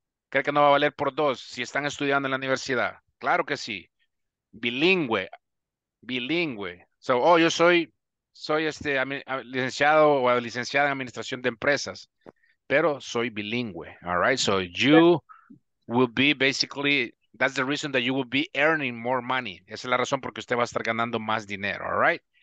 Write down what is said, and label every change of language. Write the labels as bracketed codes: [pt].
[es] ¿Cree que no va a valer por dos si están estudiando en la universidad? Claro que sí. Bilingüe. So, yo soy licenciada en administración de empresas, pero soy bilingüe. [en] All right, so you will be basically... That's the reason that you will be earning more money. [es] Esa es la razón porque usted va a estar ganando más dinero, all right?